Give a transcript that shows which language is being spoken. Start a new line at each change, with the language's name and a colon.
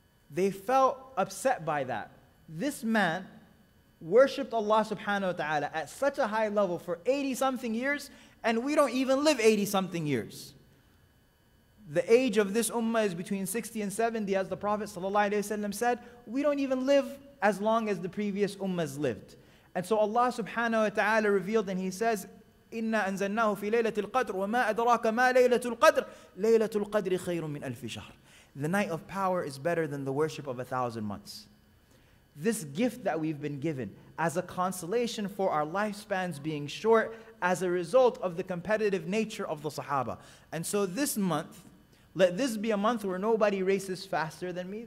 English: They felt upset by that. This man worshipped Allah subhanahu wa ta'ala at such a high level for 80-something years, and we don't even live 80-something years. The age of this ummah is between 60 and 70, as the Prophet sallallahu alayhi wa sallam said. We don't even live as long as the previous ummahs lived. And so Allah subhanahu wa ta'ala revealed, and he says,
Arabic: إِنَّا أَنزَلْنَاهُ فِي لَيْلَةِ الْقَدْرِ وَمَا أَدْرَاكَ مَا لَيْلَةُ الْقَدْرِ لَيْلَةُ الْقَدْرِ خَيْرٌ مِّنْ أَلْفِ شَهْرٍ.
English: The night of power is better than the worship of 1,000 months. This gift that we've been given as a consolation for our lifespans being short as a result of the competitive nature of the Sahaba. And so this month, let this be a month where nobody races faster than me.